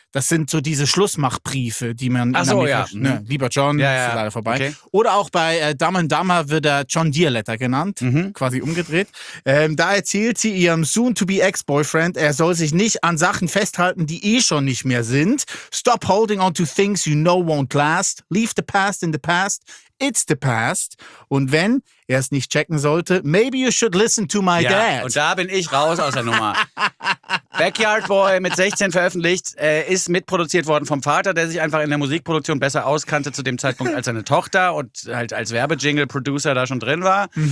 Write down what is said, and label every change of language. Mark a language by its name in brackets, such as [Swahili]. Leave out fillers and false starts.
[German] Das sind so diese Schlussmachbriefe, die man... Ach so, ja. Ne, lieber John, ja, ja. Ist leider vorbei. Okay. Oder auch bei Dumb and Dumber wird er John Deere Letter genannt, quasi umgedreht. Da erzählt sie ihrem Soon-to-be-Ex-Boyfriend, er soll sich nicht an Sachen festhalten, die eh schon nicht mehr sind. [English] Stop holding on to things you know won't last. Leave the past in the past. It's the past. [German] Und wenn er es nicht checken sollte, [English] maybe you should listen to my dad. [German] Und da bin ich raus aus der Nummer. Backyard Boy mit 16 veröffentlicht, ist mitproduziert worden vom Vater, der sich einfach in der Musikproduktion besser auskannte zu dem Zeitpunkt als seine Tochter und halt als Werbejingle-Producer da schon drin war.